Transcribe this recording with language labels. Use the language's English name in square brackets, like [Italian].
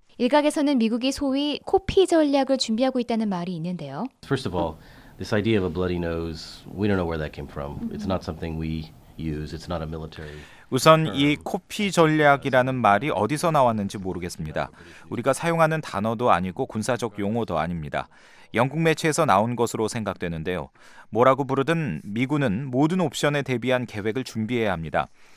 [Korean] 일각에서는 미국이 소위 코피 전략을 준비하고 있다는 말이 있는데요. [English] First of all, this idea of a bloody nose, we don't know where that came from. It's not something we use. It's not a military. [Korean] 우선 이 코피 전략이라는 말이 어디서 나왔는지 모르겠습니다. 우리가 사용하는 단어도 아니고 군사적 용어도 아닙니다. 영국 매체에서 나온 것으로 생각되는데요. 뭐라고 부르든 미군은 모든 옵션에 대비한 계획을 준비해야 합니다.